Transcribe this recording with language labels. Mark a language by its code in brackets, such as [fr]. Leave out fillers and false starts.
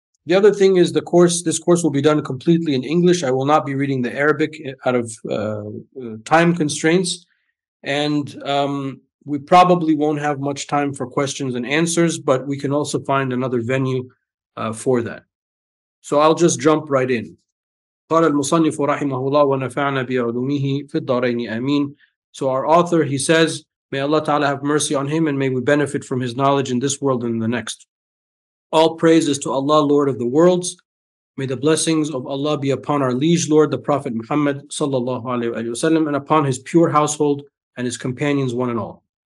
[en] The other thing is the course, this course will be done completely in English. I will not be reading the Arabic out of time constraints. And we probably won't have much time for questions and answers, but we can also find another venue for that. So I'll just jump right in. [ar] قال المصنف رحمه الله ونفعنا بعلومه في الدارين آمين. [en] So our author, he says, may Allah Ta'ala have mercy on him and may we benefit from his knowledge in this world and the next. All praises to Allah, Lord of the worlds. May the blessings of Allah be upon our liege Lord, the Prophet Muhammad Sallallahu Alaihi Wasallam, and upon his pure household and his companions, one and all.